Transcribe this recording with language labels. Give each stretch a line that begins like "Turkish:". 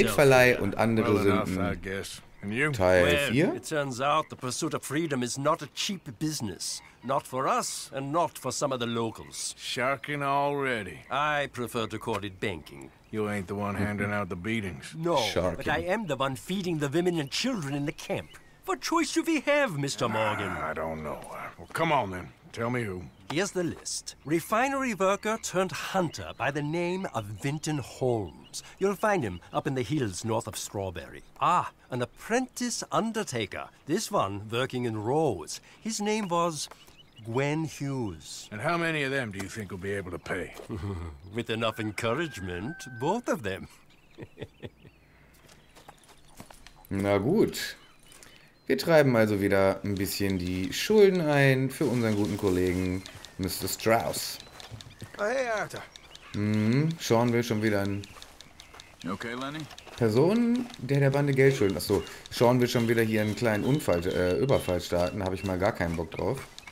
German: Geldverleih und andere Sünden. Teil 4.
English: It turns out the pursuit of freedom is not a cheap business. Not for us and not for some of the locals. Shocking already. I prefer to call it banking. You ain't the one handing out the beatings. No, Sharky. But I am the one feeding the women and children in the camp. What choice do we have, Mr. Morgan? I don't know. Well, come on then. Tell me who. Here's the list. Refinery worker turned hunter by the name of Vinton Holmes. You'll find him up in the hills north of Strawberry. Ah, an apprentice undertaker. This one working in Rose. His name was Gwen Hughes. And how many of them do you think will be able to pay? With enough encouragement, both of them.
German: Na gut. Wir treiben also wieder ein bisschen die Schulden ein für unseren guten Kollegen Mr. Strauss.
English: Hey, Arthur.
German: Sean will schon wieder ein...
English: Okay, Lenny?
German: Person, der Bande Geld schulden. Achso, Sean will schon wieder hier einen kleinen Unfall, Überfall starten. Da habe ich mal gar keinen Bock drauf.